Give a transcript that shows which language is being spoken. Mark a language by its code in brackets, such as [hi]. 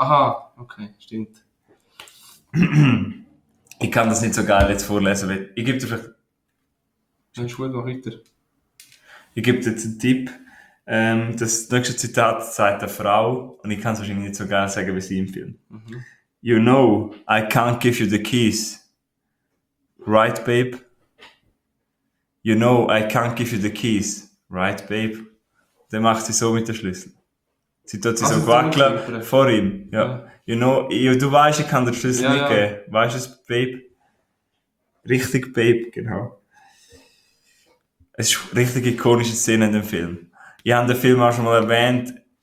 [de] Aha, okay, stimmt. Ich kann das nicht so geil jetzt vorlesen, weil ich gebe dir vielleicht... Dann schwul, mach weiter. Ich gebe dir jetzt einen Tipp. Das nächste Zitat sagt eine Frau, und ich kann es wahrscheinlich nicht so geil sagen, wie sie im Film. Mhm. [en] You know, I can't give you the keys. Right, babe? You know, I can't give you the keys. Right, babe? [de] Dann macht sie so mit den Schlüsseln. Sie tut sie also so wackeln vor ihm. Ja. Ja. [en] You know, [de] du weißt, ich kann den Schlüssel nicht geben. Weißt du es, Babe? Richtig, Babe, genau. Es ist eine richtig ikonische Szene in dem Film. Ich habe den Film auch schon mal erwähnt.